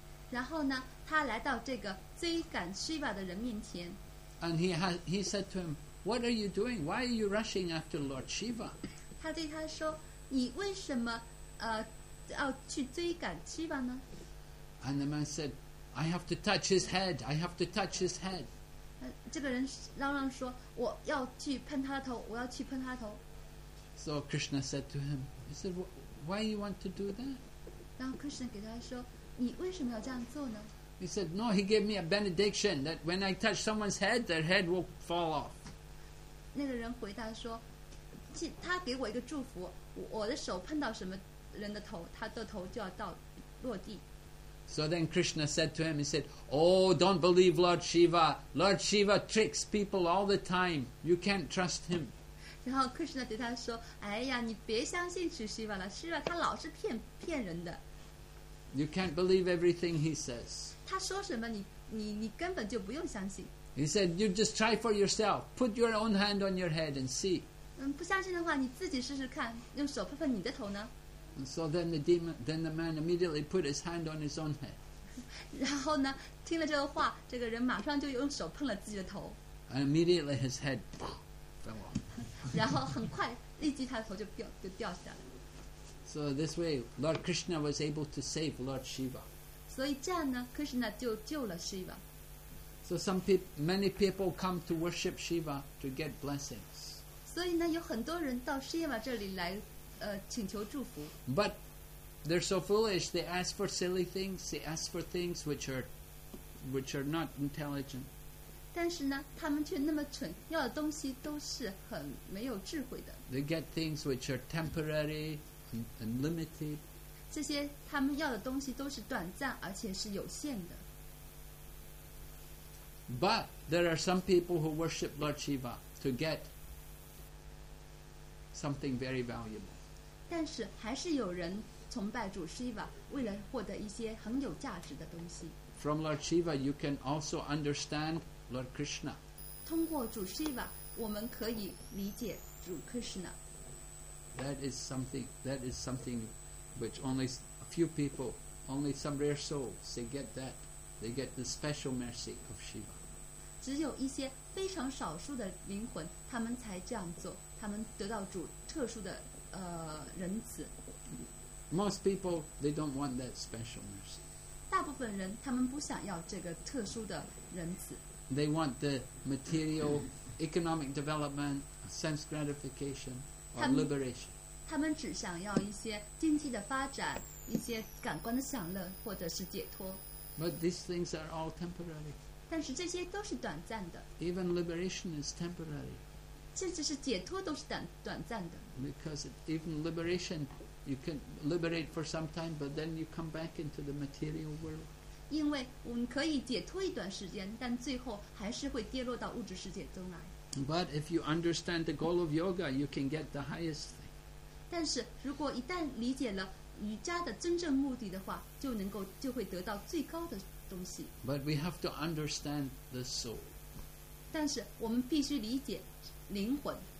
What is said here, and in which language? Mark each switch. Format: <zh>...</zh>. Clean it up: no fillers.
<zh>然后呢，他来到这个追赶 Shiva 的人面前。</zh> <en>And he said to him, "What are you doing? Why are you rushing after Lord Shiva?"</en> <zh>他对他说，你为什么要去追赶 Shiva 呢？</zh> <en>And the man said, I have to touch his head, I have to touch his head.</en> <zh>这个人嚷嚷说，我要去碰他的头，我要去碰他的头。</zh> <en>So Krishna said to him, he said, why do you want to do that?</en> <zh>然后 Krishna 给他说，你为什么要这样做呢？</zh> <en>He said, no, he gave me a benediction that when I touch someone's head, their head will fall off.</en> <zh>那个人回答说，他给我一个祝福，我的手碰到什么人的头，他的头就要到落地。</zh> <en>So then Krishna said to him, he said, oh, don't believe Lord Shiva. Lord Shiva tricks people all the time. You can't trust him.</en> <zh>然后 Krishna 对他说，哎呀，你别相信主 Shiva 了， Shiva 他老是骗人的。</zh> <en>You can't believe everything he says.</en> <zh>他说什么你根本就不用相信。</zh> <en>He said, you just try for yourself. Put your own hand on your head and see.</en> <zh>不相信的话，你自己试试看，用手碰碰你的头呢。</zh> <en>And so then the man immediately put his hand on his own head.</en> <zh>然后呢，听了这个话，这个人马上就用手碰了自己的头。</zh> <en>And immediately his head fell off.</en> <zh>然后很快，立即他的头就掉下来。</zh> <en>So this way, Lord Krishna was able to save Lord Shiva.</en> <zh>所以这样呢 ，Krishna 就救了 Shiva.</zh> <en>So many people come to worship Shiva to get blessings.</en> <zh>所以呢，有很多人到 Shiva 这里来。请求祝福。</zh> <en>But they're so foolish. They ask for silly things. They ask for things which are not intelligent.</en> <zh>但是呢，他们却那么蠢，要的东西都是很没有智慧的。</zh> <en>They get things which are temporary and limited.</en> <zh>这些他们要的东西都是短暂而且是有限的。</zh> <en>But there are some people who worship Lord Shiva to get something very valuable.</en> <zh>但是还是有人崇拜主 Shiva， 为了获得一些很有价值的东西。</zh> <en>From Lord Shiva, you can also understand Lord Krishna.</en> <zh>通过主 Shiva， 我们可以理解主 Krishna.</zh> <en>That is something which only a few people, only some rare souls, they get that. They get the special mercy of Shiva.</en> <zh>只有一些非常少数的灵魂，他们才这样做，他们得到主特殊的仁慈。</zh> <en>Most people, they don't want that special mercy.</en> <zh>大部分人他们不想要这个特殊的仁慈。</zh> <en>They want the material, economic development, sense gratification, or liberation.</en> <zh>他们只想要一些经济的发展，一些感官的享乐，或者是解脱。</zh> <en>But these things are all temporary.</en> <zh>但是这些都是短暂的。</zh> <en>Even liberation is temporary.</en> <zh>甚至是解脱都是短暂的。</zh> <en>Because even liberation, you can liberate for some time, but then you come back into the material world.</en> <zh>因为我们可以解脱一段时间，但最后还是会跌落到物质世界中来。</zh> <en>But if you understand the goal of yoga, you can get the highest thing.</en> <zh>但是如果一旦理解了瑜伽的真正目的的话，就会得到最高的东西。</zh> <en>But we have to understand the soul.</en> <zh>但是我们必须理解灵魂。</zh>